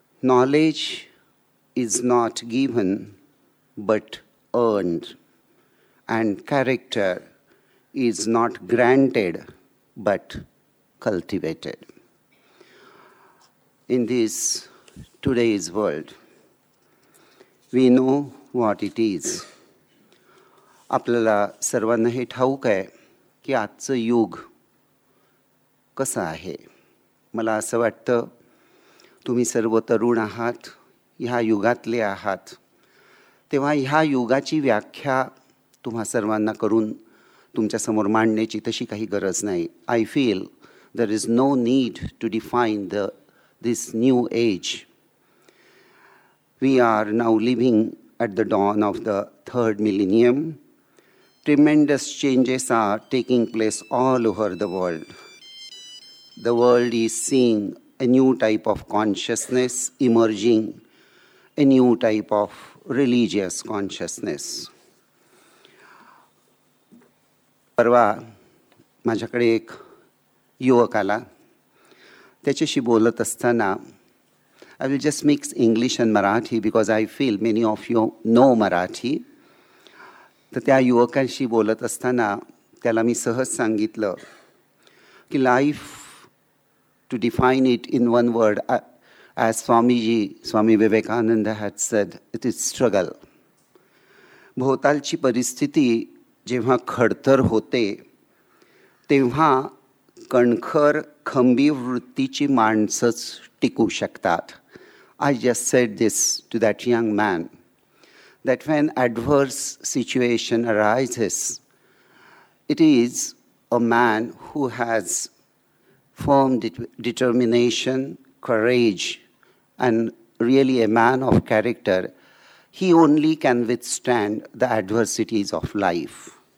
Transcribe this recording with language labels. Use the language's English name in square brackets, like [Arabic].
[English] Knowledge is not given, but earned, and character is not granted, but cultivated. In this today's world, we know what it is. [Marathi] आपल्याला सर्वांना हे ठाऊक आहे की आजचं युग कसं आहे. मला असं वाटतं तुम्ही सर्व तरुण आहात, ह्या युगातले आहात, तेव्हा ह्या युगाची व्याख्या तुम्हा सर्वांना करून तुमच्यासमोर मांडण्याची तशी काही गरज नाही. [English] I feel there is no need to define this new age. We are now living at the dawn of the third millennium. Tremendous changes are taking place all over the world. The world is seeing a new type of consciousness emerging, a new type of religious consciousness. [Marathi] परवा माझ्याकडे एक युवक आला, त्याच्याशी बोलत असताना [English] I will just mix English and Marathi because I feel many of you know Marathi. [Marathi] तर त्या युवकांशी बोलत असताना त्याला मी सहज सांगितलं की [English] Life, to define it in one word as Swamiji Swami Vivekananda has said, it is struggle. [Marathi] भोवतालची परिस्थिती जेव्हा खडतर होते तेव्हा कणखर खंबीर वृत्तीची माणसंच टिकू शकतात. [English] I just said this to that young man. That when adverse situation arises, it is a man who has firm determination, courage, and really a man of character, he only can withstand the adversities of life.